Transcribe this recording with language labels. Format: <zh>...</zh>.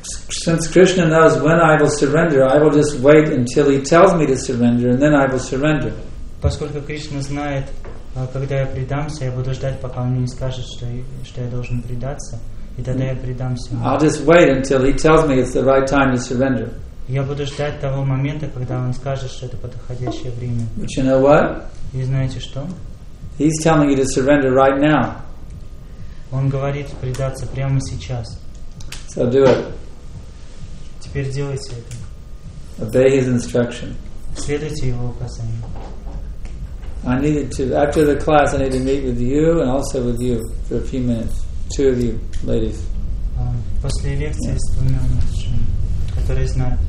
<en>Since Krishna knows when I will surrender, I will just wait until he tells me to surrender, and then I will surrender.</en> <ru>Поскольку Кришна знает, когда я предамся, я буду ждать, пока он мне не скажет, что я должен предаться, и тогда я предамся.</ru> <en>I'll just wait until he tells me it's the right time to surrender.</en> <ru>Я буду ждать того момента, когда он скажет, что это подходящее время.</ru> <en>But you know what?</en> <ru>И знаете что?</ru> <en>He's telling you to surrender right now.</en> <ru>Он говорит предаться прямо сейчас.</ru> <en>So do it.</en> <ru>Теперь делайте это.</ru> <en>Obey his instruction.</en> <ru>Следуйте его указаниям.</ru> <en>I needed to, after the class, I need to meet with you and also with you for a few minutes. Two of you, ladies.</en> <ru>После лекции с двумя мужчинами, которые знают.</ru>